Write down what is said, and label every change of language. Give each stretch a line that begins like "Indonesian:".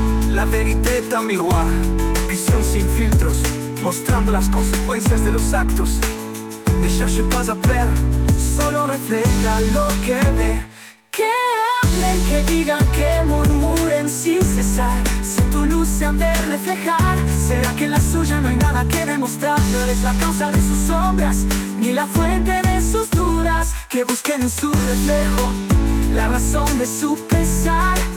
French: La verité miroir,
Spanish: visión sin filtros, mostrando las consecuencias de los actos.
French: Ne cherche pas à plaire,
Spanish: solo refleja lo que ve. Que hablen, que digan, que murmuren sin cesar. Si tu luz se han de reflejar, será que en la suya no hay nada que demostrar. No eres la causa de sus sombras, ni la fuente de sus dudas. Que busquen en su reflejo la razón de su pesar.